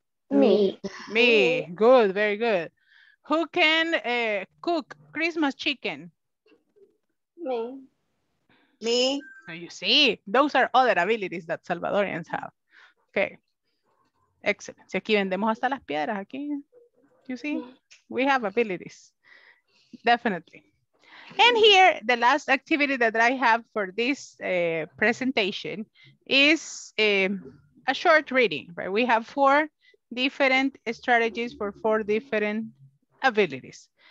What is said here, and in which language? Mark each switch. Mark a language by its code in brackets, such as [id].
[en] Me. Good, very good. Who can cook Christmas chicken? Me. Me. So you see, those are other abilities that Salvadorians have. Okay. Excellent. [es] Si aquí vendemos hasta las piedras, aquí. [en] You see, we have abilities. Definitely. And here, the last activity that I have for this presentation is a short reading, right? We have four different strategies for four different abilities.